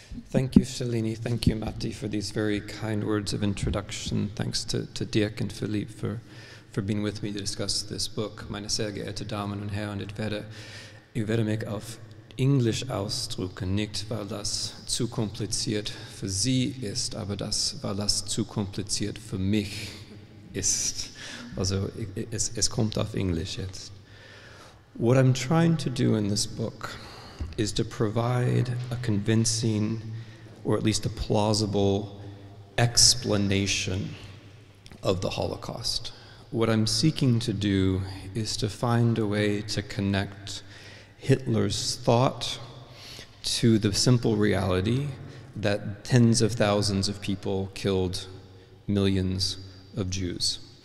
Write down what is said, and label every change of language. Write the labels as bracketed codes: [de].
[en] Thank you, Shalini. Thank you, Matti, for these very kind words of introduction. Thanks to Dirk and Philippe for being with me to discuss this book. [de] Meine sehr geehrte Damen und Herren, ich werde mich auf Englisch ausdrücken, nicht weil das zu kompliziert für Sie ist, aber das, weil das zu kompliziert für mich ist. Also es kommt auf Englisch jetzt. [en] What I'm trying to do in this book is to provide a convincing or at least a plausible explanation of the Holocaust. What I'm seeking to do is to find a way to connect Hitler's thought to the simple reality that tens of thousands of people killed millions of Jews.